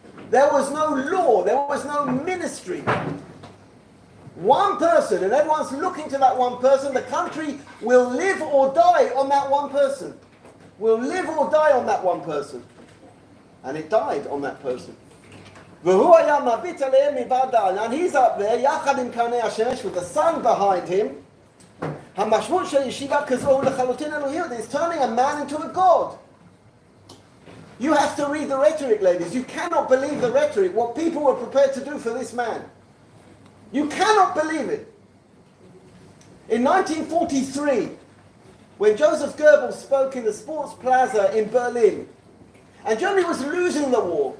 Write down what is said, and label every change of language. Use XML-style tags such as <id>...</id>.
<en>There was no law, there was no ministry. One person, and everyone's looking to that one person. The country will live or die on that one person. Will live or die on that one person. And it died on that person. And he's up there,</en> <he>yachad im karnei ha-shemesh,</he> <en>with the sun behind him.</en> <he>המשמעות של ישיבה כזו הוא לחלוטין אלוהיות.</he> <en>It's turning a man into a god. You have to read the rhetoric, ladies. You cannot believe the rhetoric, what people were prepared to do for this man. You cannot believe it. In 1943, when Joseph Goebbels spoke in the Sports Plaza in Berlin, and Germany was losing the war.</en>